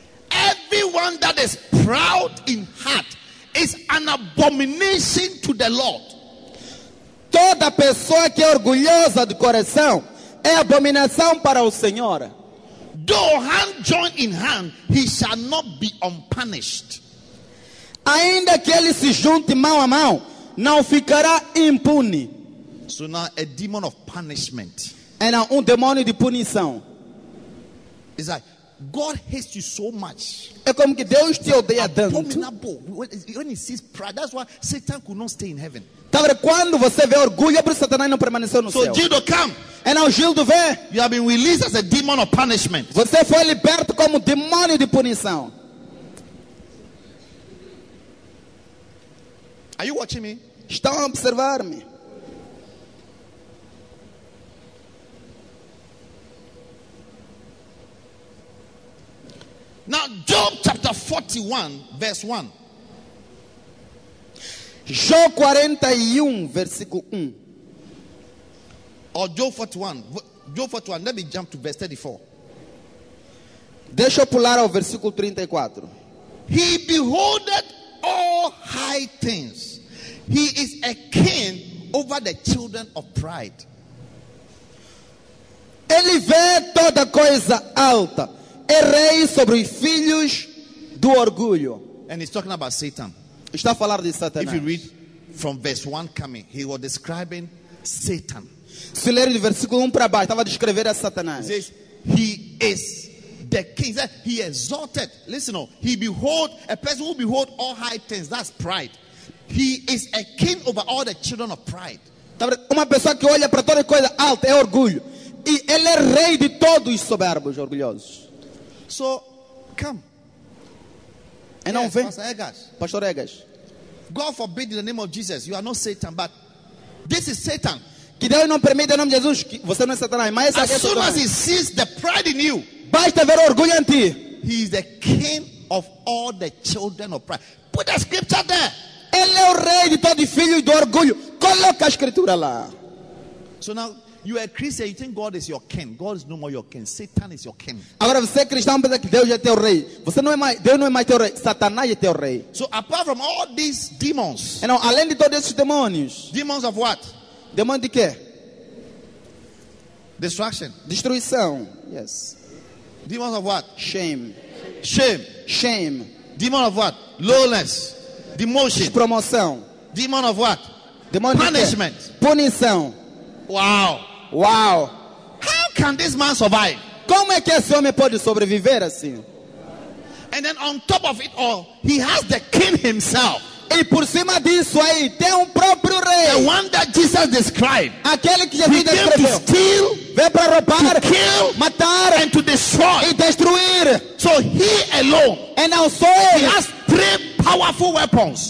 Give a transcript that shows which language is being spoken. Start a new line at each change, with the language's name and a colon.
English: Everyone that is proud in heart is an abomination to the Lord.
Portuguese: Toda pessoa que é orgulhosa de coração é abominação para o Senhor.
English: Though hand joined in hand, he shall not be unpunished.
Portuguese: Ainda que ele se junte mão a mão, não ficará impune.
English: So now a demon of punishment.
Portuguese: É
English: now
Portuguese: um demônio de punição.
English: It's like God hates you so much.
Portuguese: É como que Deus te odeia tanto.
English: When he sees pride, that's why Satan could not stay in heaven.
Portuguese: Quando você vê orgulho, é por isso que Satanás não permaneceu no céu.
English: So Gildo, come. And now Gildo,
Portuguese: vem.
English: You have been released as a demon of punishment.
Portuguese: Você foi liberto como demônio de punição.
English: Are you watching me?
Portuguese: Estão a observar-me.
English: Now Job chapter 41 verse 1.
Portuguese: Jó 41 versículo 1.
English: Or Job 41. Job 41, let me jump to verse 34.
Portuguese: Deixa eu pular ao versículo 34.
English: He beholded all high things. He is a king over the children of pride.
Portuguese: Ele vê toda coisa alta. É rei sobre os filhos do orgulho.
English: And he's talking about Satan.
Portuguese: Está a falar de Satanás.
English: If you read from verse 1 coming, he was describing Satan.
Portuguese: Se ler do versículo 1 para baixo, estava a descrever a Satanás.
English: He says, he is the king. He exalted. Listen, he behold, a person who behold all high things, that's pride. He is a king over all the children of pride.
Portuguese: Uma pessoa que olha para toda coisa alta é orgulho. E ele é rei de todos os soberbos orgulhosos.
English: So, come. And yes,
Portuguese: vem.
English: Pastor Egas. Pastor Egas. God forbid in the name of Jesus, you are not Satan, but this is Satan.
Portuguese: Que Deus não permita em nome de Jesus, que você não é Satanás, mas
English: as soon as he sees the pride in you,
Portuguese: basta ver orgulho em ti.
English: He is the king of all the children of pride. Put a scripture there.
Portuguese: Ele é o rei de todo filho do orgulho. Coloca a escritura lá.
English: So now you are a Christian, you think God is your king. God is no more your king. Satan is your king.
Portuguese: Agora você é cristão, pensa que Deus é teu rei. Você não é mais, Deus não é mais teu rei. Satanás é teu rei.
English: So apart from all these demons.
Portuguese: E não, além de todos esses demônios.
English: Demons of what?
Portuguese: Demônio de quê?
English: Destruction.
Portuguese: Destruição.
English: Yes. Demons of what? Shame. Shame. Shame. Demon of what? Lowness. Demotion.
Portuguese: Promoção.
English: Demon of what? Demon punishment.
Portuguese: De punição. Wow. Wow.
English: How can this man survive?
Portuguese: Como é que esse homem pode sobreviver assim?
English: And then on top of it all, he has the king himself.
Portuguese: E por cima disso aí, tem próprio rei.
English: The one that Jesus described.
Portuguese: Aquele que Jesus descreveu.
English: To steal,
Portuguese: vem para roubar,
English: to kill,
Portuguese: matar,
English: and to destroy.
Portuguese: E destruir.
English: So he alone. And now so he has three powerful weapons.